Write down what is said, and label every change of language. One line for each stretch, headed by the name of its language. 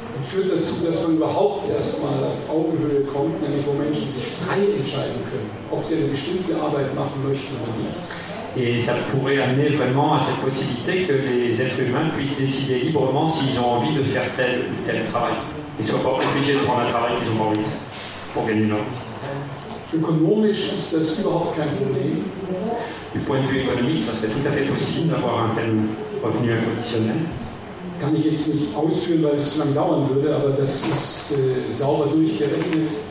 German: Das führt dazu, dass man überhaupt erstmal auf Augenhöhe kommt, nämlich wo Menschen sich frei entscheiden können, ob sie eine bestimmte Arbeit machen möchten oder nicht.
French: Et ça pourrait amener vraiment à cette possibilité que les êtres humains puissent décider librement s'ils ont envie de faire tel ou tel travail. Ils ne soient pas obligés de prendre un travail qu'ils ont pas envie de faire pour gagner leur vie.
German: Économisch ist das überhaupt kein Problem.
French: Du point de vue économique, ça serait tout à fait possible d'avoir un tel revenu inconditionnel.
German: Kann ich jetzt nicht ausführen, weil es zu lang dauern würde, aber das ist sauber durchgerechnet.